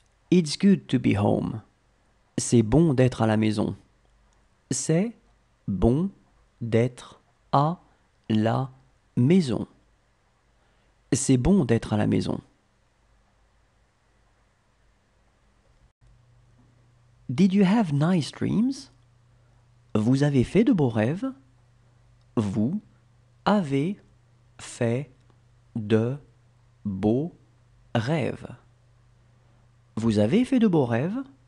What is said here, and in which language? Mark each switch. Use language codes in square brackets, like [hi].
[en] It's good to be home. [fr] C'est bon d'être à la maison. C'est bon d'être à la maison. C'est bon d'être à la maison. [en] Did you have nice dreams? [fr] Vous avez fait de beaux rêves? Vous avez fait de beaux rêves? Vous avez fait de beaux rêves?